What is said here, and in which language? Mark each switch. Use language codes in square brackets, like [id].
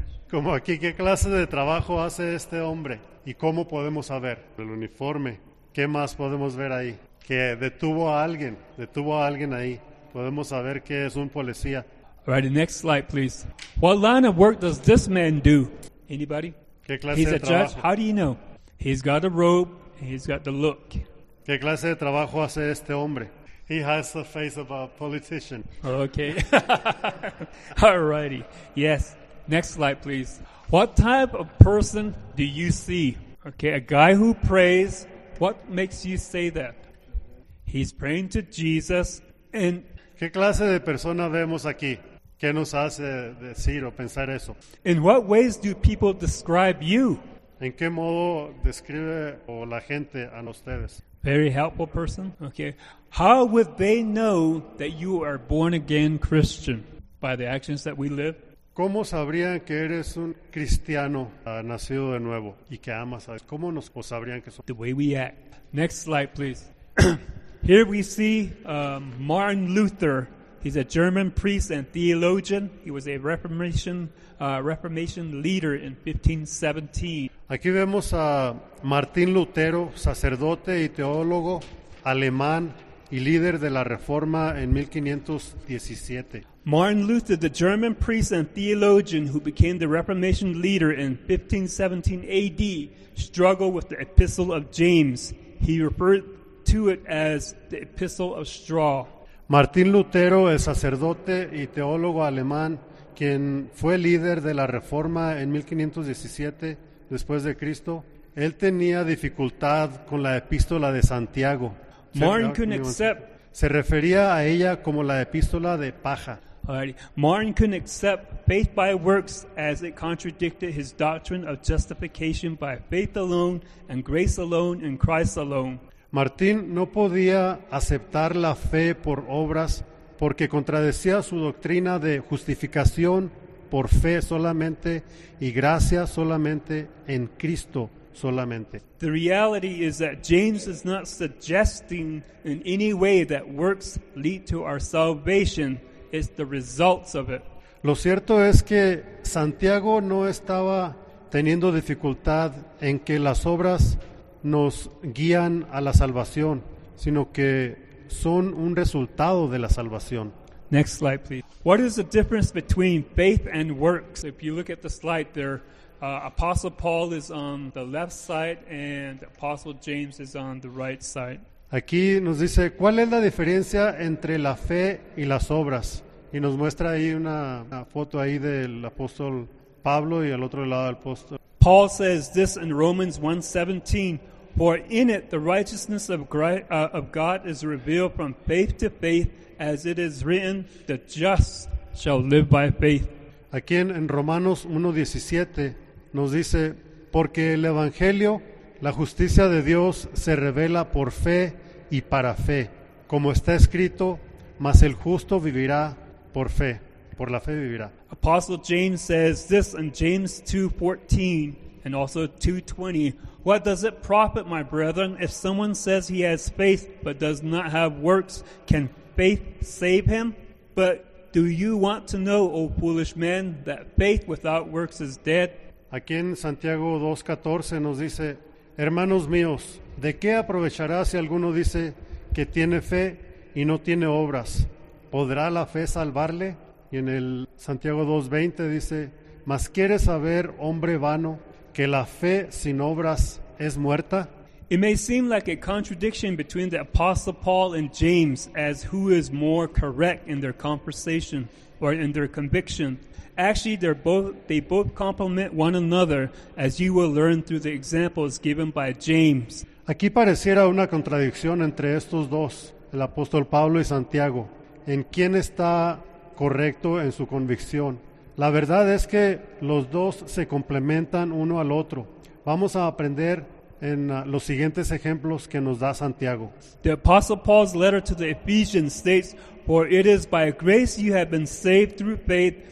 [es] Como aquí, ¿qué clase de trabajo hace este hombre? ¿Y cómo podemos saber? El uniforme, ¿qué más podemos ver ahí? Que detuvo a alguien ahí. Podemos saber que es un policía. [en] All right, next slide, please. What line of work does this man do? Anybody? [es] ¿Qué clase [en] he's [es] de [en] a [es] trabajo? [en] Judge. How do you know? He's got a robe and he's got the look. [es] ¿Qué clase de trabajo hace este hombre? [en] He has the face of a politician. Okay. All righty. Yes. Next slide, please. What type of person do you see? Okay, a guy who prays. What makes you say that? He's praying to Jesus and [es] ¿qué clase de persona vemos aquí? ¿Qué nos hace decir o pensar eso? [en] In what ways do people describe you? [es] ¿En qué modo describe o la gente a ustedes? [en] Very helpful person. Okay. How would they know that you are born again Christian by the actions that we live? [es] ¿Cómo sabrían que eres un cristiano nacido de nuevo y que amas a Dios? ¿Cómo nos sabrían que somos? [en] The way we act. Next slide, please. Here we see Martin Luther. He's a German priest and theologian. He was a Reformation leader in 1517. [es] Aquí vemos a Martín Lutero, sacerdote y teólogo alemán y líder de la Reforma en 1517. [en] Martin Luther, the German priest and theologian who became the Reformation leader in 1517 AD, struggled with the Epistle of James. He referred to it as the Epistle of Straw. [es] Martín Lutero, el sacerdote y teólogo alemán, quien fue líder de la Reforma en 1517 después de Cristo, él tenía dificultad con la Epístola de Santiago. [en] Martin couldn't accept. [es] Se refería a ella como la Epístola de paja. [en] Alrighty. Martin couldn't accept faith by works as it contradicted his doctrine of justification by faith alone and grace alone in Christ alone. [es] Martín no podía aceptar la fe por obras porque contradecía su doctrina de justificación por fe solamente y gracia solamente en Cristo solamente. [en] The reality is that James is not suggesting in any way that works lead to our salvation. It's the results of it. [es] Lo cierto es que Santiago no estaba teniendo dificultad en que las obras nos guían a la salvación, sino que son un resultado de la salvación. [en] Next slide, please. What is the difference between faith and works? If you look at the slide there, Apostle Paul is on the left side and Apostle James is on the right side. [es] Aquí nos dice, ¿cuál es la diferencia entre la fe y las obras? Y nos muestra ahí una foto ahí del apóstol Pablo y al otro lado del apóstol. [en] Paul says this in Romans 1:17, for in it the righteousness of God is revealed from faith to faith, as it is written, the just shall live by faith. [es] Aquí en Romanos 1:17 nos dice, porque el evangelio, la justicia de Dios se revela por fe y para fe, como está escrito, mas el justo vivirá por fe. Por la fe vivirá. [en] Apostle James says this in James 2:14 and also 2:20. What does it profit, my brethren, if someone says he has faith but does not have works? Can faith save him? But do you want to know, O foolish man, that faith without works is dead? [es] Aquí en Santiago 2:14 nos dice, hermanos míos, ¿de qué aprovechará si alguno dice que tiene fe y no tiene obras? ¿Podrá la fe salvarle? Y en el Santiago 2:20 dice, ¿mas quieres saber, hombre vano, que la fe sin obras es muerta? [en] It may seem like a contradiction between the Apostle Paul and James as who is more correct in their conversation or in their conviction. Actually, they both complement one another, as you will learn through the examples given by James. [es] Aquí pareciera una contradicción entre estos dos, el apóstol Pablo y Santiago, en quién está correcto en su convicción. La verdad es que los dos se complementan uno al otro. Vamos a aprender en los siguientes ejemplos que nos da Santiago. [en] The Apostle Paul's letter to the Ephesians states, for it is by grace you have been saved through faith.